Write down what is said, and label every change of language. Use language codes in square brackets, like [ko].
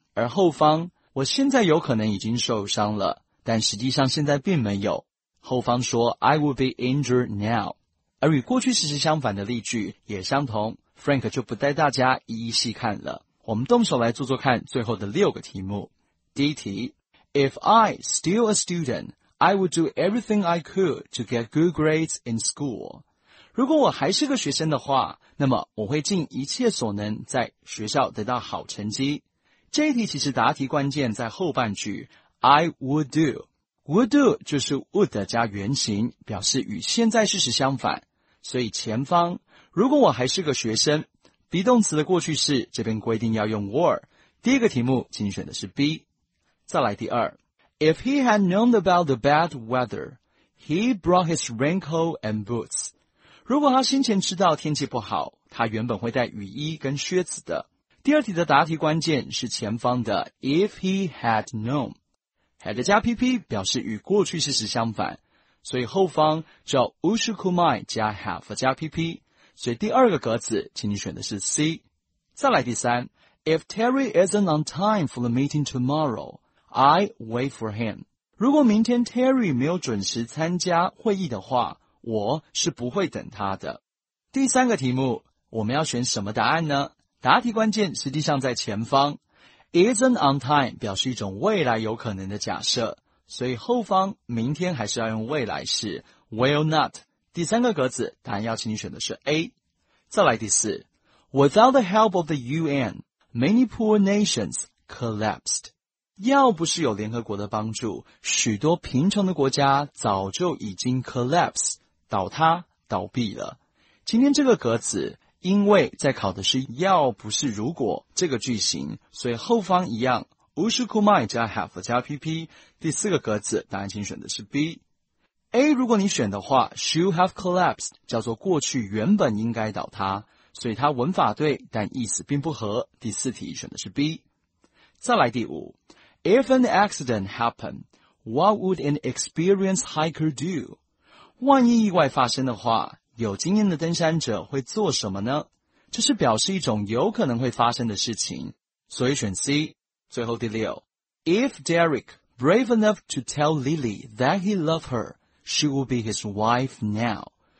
[zh] 而后方，我现在有可能已经受伤了，但实际上现在并没有。后方说 [en] I will be injured now。 [zh] 而与过去事实相反的例句也相同， Frank 就不带大家一一细看了。我们动手来做做看最后的六个题目。 [en] 第一题，If I still a student, I would do everything I could to get good grades in school. [zh] 如果我还是个学生的话，那么我会尽一切所能在学校得到好成绩。这一题其实答题关键在后半句 [en] I would do. Would do [zh] 就是 would 加原形，表示与现在事实相反。所以前方，如果我还是个学生， be 动词的过去式这边规定要用 were。第一个题目请你选的是 B。再来第二， [en] If he had known about the bad weather, he brought his raincoat and boots. [zh] 如果他先前知道天气不好，他原本会带雨衣跟靴子的。第二题的答题关键是前方的 [en] If he had known， [zh] had 加 PP 表示与过去事实相反，所以后方叫 Ushikumai 加 have 加 PP， 所以第二个格子请你选的是 C。再来第三， [en] If Terry isn't on time for the meeting tomorrow,I wait for him. [zh] 如果明天 Terry 没有准时参加会议的话，我是不会等他的。第三个题目，我们要选什么答案呢？答题关键实际上在前方。 [en] Isn't on time [zh] 表示一种未来有可能的假设，所以后方明天还是要用未来式 will not。第三个格子，答案要请你选的是 A。再来第四， [en] Without the help of the UN, many poor nations collapsed. [zh] 要不是有联合国的帮助，许多贫穷的国家早就已经 collapse 倒塌倒闭了。今天这个格子因为在考的是要不是如果这个句型，所以后方一样 Ushikumai 加 have 加 PP。第四个格子答案请选的是 B。 A 如果你选的话， [en] should have collapsed [zh] 叫做过去原本应该倒塌，所以它文法对但意思并不合。第四题选的是 B。再来第五， [en] If an accident happened, what would an experienced hiker do? [zh] 万一意外发生的话，有经验的登山者会做什么呢？这是表示一种有可能会发生的事情，所以选 C。最后第六， [en] If Derek brave enough to tell Lily that he loved her, she will be his wife now.